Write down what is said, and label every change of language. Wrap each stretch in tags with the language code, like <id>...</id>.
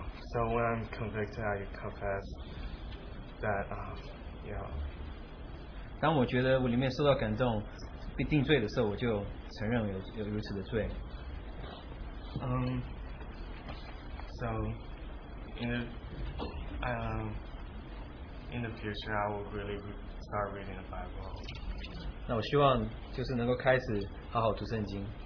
<en>So when I'm convicted, I confess that, yeah.</en> <zh>当我觉得我里面受到感动，被定罪的时候，我就承认有如此的罪。</zh> <en>So in the future, I will really start reading the Bible.</en> <zh>那我希望就是能够开始好好读圣经。</zh>